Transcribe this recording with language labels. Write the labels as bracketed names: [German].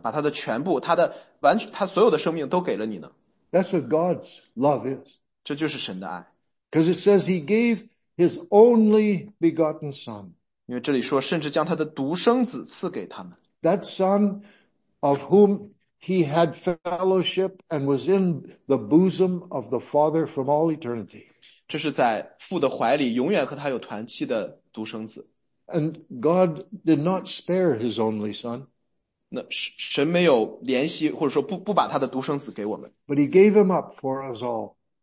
[Chinese] 但如果有一个人把他的自己给你了呢?把他的全部,他的完全,他所有的生命都给了你呢? [English] That's what God's love is. [Chinese] 这就是神的爱。 [English] Because it says he gave his only begotten son. [Chinese] 因为这里说甚至将他的独生子赐给他们。 [English] That son of whom he had fellowship and was in the bosom of the Father from all eternity. [Chinese] 这是在父的怀里永远和他有团契的独生子。 [English] And God did not spare his only son. [Chinese] 那神没有怜惜或者说不把他的独生子给我们。 [English] But he gave him up for us all.